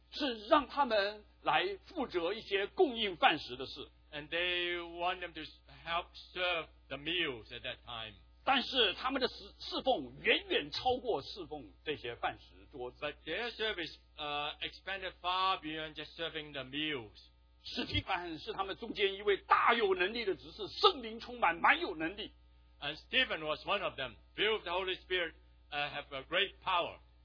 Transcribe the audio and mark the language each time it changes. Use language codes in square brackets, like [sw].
[zh] 是让他们来负责一些供应饭食的事。 [en] And they want them to help serve the meals at that time. [zh] 但是他们的侍奉远远超过侍奉这些饭食桌子。 [en] But their service expanded far beyond just serving the meals. [zh] 使徒是他们中间一位大有能力的执事，圣灵充满，蛮有能力。 [en] And Stephen was one of them, filled with the Holy Spirit, have a great power.